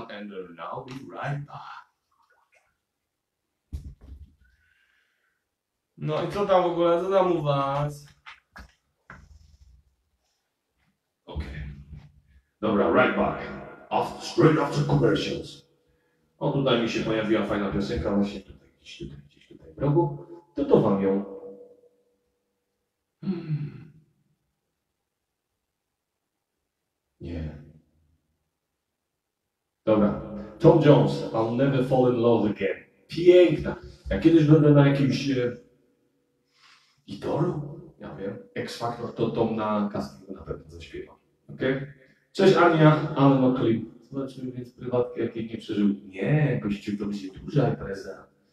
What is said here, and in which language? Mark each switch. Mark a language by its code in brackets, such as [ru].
[en] And I'll now be right back. [pl] No i co tam w ogóle, co tam u was? Okej. Dobra, [en] right back. Straight after commercials. [pl] O, tutaj mi się pojawiła fajna piosenka, właśnie tutaj, gdzieś tutaj w rogu, to wam ją. Nie. Dobra, [en] Tom Jones, I'll never fall in love again. [pl] Piękna. Ja kiedyś będę na jakimś... Idolu? Ja wiem, X Factor, to Tom na castingu na pewno zaśpiewa. Okej? Okay. Cześć Ania, Alan McLean. Zobaczymy więc prywatkę, jakiej nie przeżył. Nie, kościół to będzie duża impreza.